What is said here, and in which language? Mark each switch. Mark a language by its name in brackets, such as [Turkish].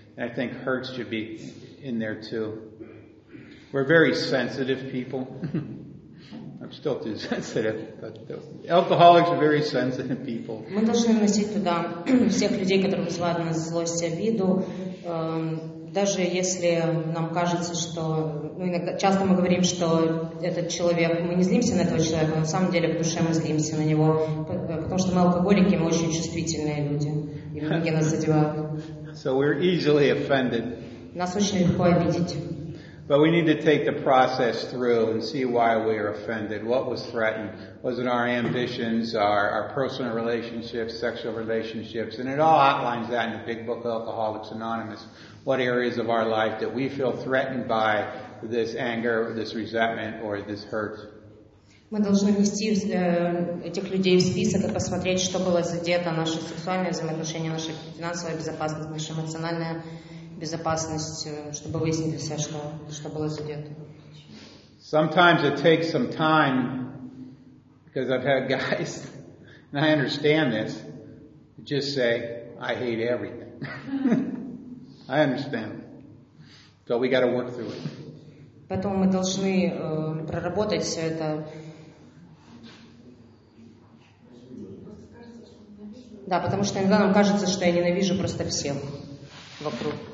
[English] And I think hurts should be in there too. We're very sensitive people. I'm still too sensitive, but alcoholics are very sensitive people. [Russian] Мы должны носить туда всех людей, которые вызывают у нас злость, обиду, даже если нам кажется, что, ну, иногда часто мы говорим, что этот человек, мы не злимся на этого человека, на самом деле в душе мы злимся на него, потому что мы алкоголики, мы очень чувствительные люди, и многие нас задевают. [English] So we're easily offended. [Russian] Нас очень легко обидеть. [English] But we need to take the process through and see why we are offended. What was threatened? Was it our ambitions, our personal relationships, sexual relationships? And it all outlines that in the big book, Alcoholics Anonymous. What areas of our life that we feel threatened by this anger, this resentment, or this hurt? [Russian] Мы должны внести этих людей в список и посмотреть, что было задето, наши сексуальные взаимоотношения, наша финансовая безопасность, наша эмоциональная безопасность, чтобы выяснить все, что было задето. [English] Sometimes it takes some time, because I've had guys, and I understand this, just say, I hate everything. I understand. So we got to work through it. [Russian] Поэтому мы должны проработать все это. Да, потому что иногда нам кажется, что я ненавижу просто всех вокруг.